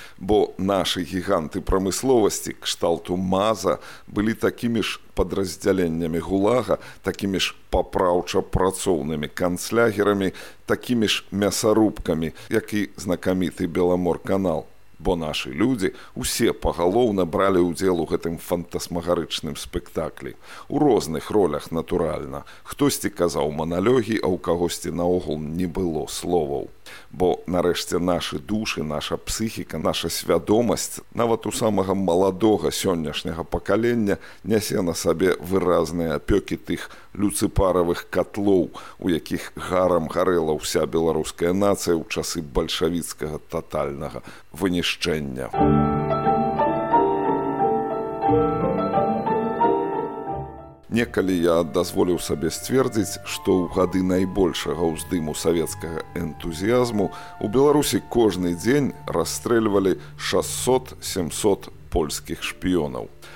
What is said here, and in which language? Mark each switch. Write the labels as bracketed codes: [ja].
[be] Бо нашы гіганты прамысловасці кшталту МАЗа былі такімі ж падраздзяленнямі ГУЛАГа, такімі ж папраўча-працоўнымі канцлягерамі, такімі ж мясарубкамі, як і знакаміты Беламорканал. Бо нашы людзі ўсе пагалоўна бралі ўдзел у гэтым фантасмагарычным спектаклі. У розных ролях, натуральна. Хтосьці казаў маналёгі, а ў кагосьці наогул не было словаў. [uk] Бо нарешті наші душі, наша психіка, наша свідомість, навіть у самого молодого сьогоднішнього покоління, несе на собі виразні опіки тих люципарових котлов, у яких гаром горіла вся білоруська нація у часи большевіцького тотального винищення. [be] Некалі я дозволіў сабе сцвердзіць, што ў гады найбольшага ўздыму савецкага энтузіязму ў Беларусі кожны дзень расстрэльвалі 600-700 польскіх шпіёнаў.